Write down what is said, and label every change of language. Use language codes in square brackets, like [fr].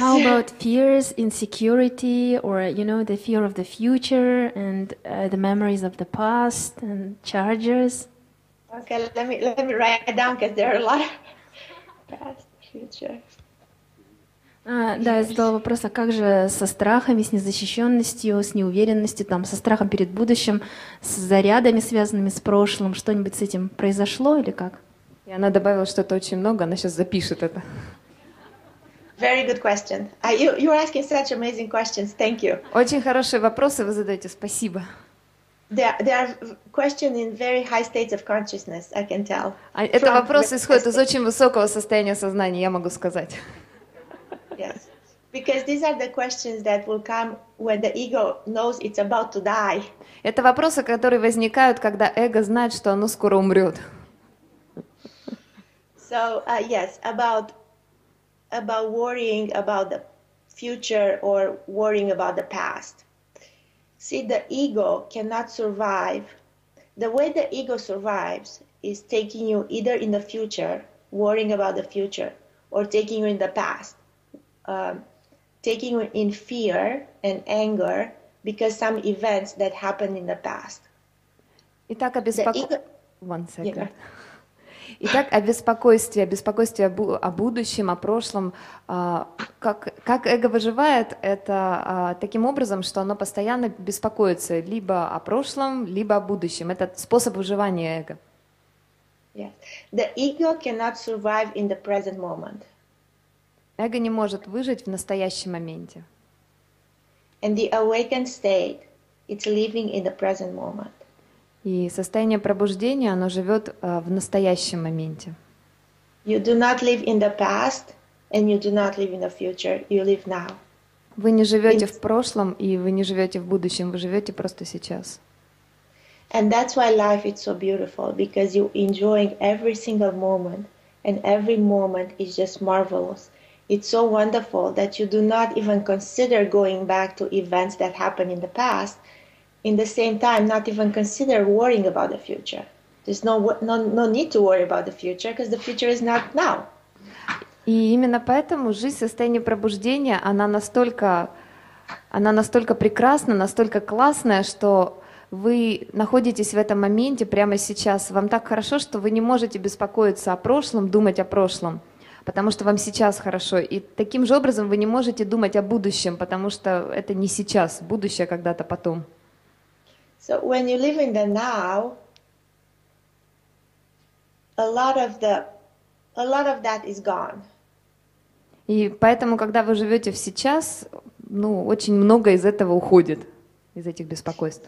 [en] How about fears, insecurity, or you know, the fear of the future and the memories of the past and charges? Okay, let me write it down because there are a lot of past, future. [ru] Да, я задала вопрос, а как же со страхами, с незащищенностью, с неуверенностью, там, со страхом перед будущим, с зарядами, связанными с прошлым, что-нибудь с этим произошло или как? И она добавила что-то очень много, она сейчас запишет это. [en] Very good question. You are asking such amazing questions. Thank you. [ru] Очень хорошие вопросы вы задаете, спасибо. [en] There are questions in very high states of consciousness, I can tell. [ru] Это вопрос исходит из очень высокого состояния сознания, я могу сказать. [en] Yes, because these are the questions that will come when the ego knows it's about to die. [ru] Это вопросы, которые возникают, когда эго знает, что оно скоро умрет. [en] So yes, about worrying about the future or worrying about the past. See, the ego cannot survive. The way the ego survives is taking you either in the future, worrying about the future, or taking you in the past. Taking in fear and anger, because some events that happened in the past. Итак, One second. [ru] Итак, о беспокойстве, о будущем, о прошлом, как эго выживает, это таким образом, что оно постоянно беспокоится либо о прошлом, либо о будущем. Это способ выживания эго. [en] Yes. The ego cannot survive in the present moment. [ru] Эго не может выжить в настоящем моменте. [en] And the awakened state, it's living in the present moment. [ru] И состояние пробуждения, оно живет в настоящем моменте. [en] You do not live in the past, and you do not live in the future. You live now. [ru] Вы не живете в прошлом, и вы не живете в будущем. Вы живете просто сейчас. [en] And that's why life is so beautiful, because you're enjoying every single moment, and every moment is just marvelous. It's so wonderful that you do not even consider going back to events that happened in the past. In the same time, not even consider worrying about the future. There's no need to worry about the future, because the future is not now. [ru] И именно поэтому жизнь в состоянии пробуждения, она настолько прекрасна, настолько классная, что вы находитесь в этом моменте прямо сейчас. Вам так хорошо, что вы не можете беспокоиться о прошлом, думать о прошлом, потому что вам сейчас хорошо. И таким же образом вы не можете думать о будущем, потому что это не сейчас, будущее когда-то потом. [en] So when you live in the now, a lot of that is gone. [ru] И поэтому, когда вы живете в сейчас, ну, очень много из этого уходит, из этих беспокойств.